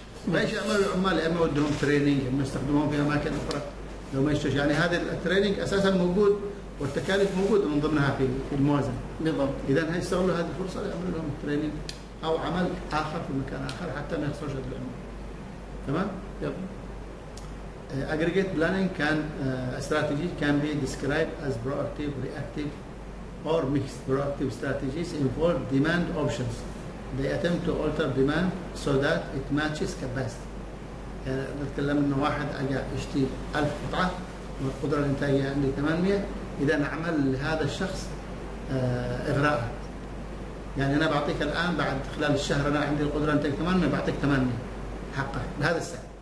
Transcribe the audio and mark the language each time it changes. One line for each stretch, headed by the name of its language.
Arabic: ليش يعملوا العمال؟ اما يودهم تريننج، اما يستخدمهم في اماكن اخرى لو ما يشتغل. يعني هذا التريننج اساسا موجود والتكاليف موجوده من ضمنها في الموازنه. بالضبط. اذا هيستغلوا هذه الفرصه ليعملوا لهم تريننج او عمل اخر في مكان اخر حتى ما يخسروش العمال. تمام؟
English: Aggregate planning can strategy can be described as proactive, reactive, or mixed. Proactive strategies involve demand options. They attempt to alter demand so that it matches capacity.
Arabic: نتكلم إنه واحد أجا يشتري 1000 قطعة والقدرة الإنتاجية عندي 800، إذا نعمل لهذا الشخص إغراءات. يعني أنا بعطيك الآن بعد خلال الشهر أنا عندي القدرة إنتاج 800، بعطيك 800 حقه بهذا السعر.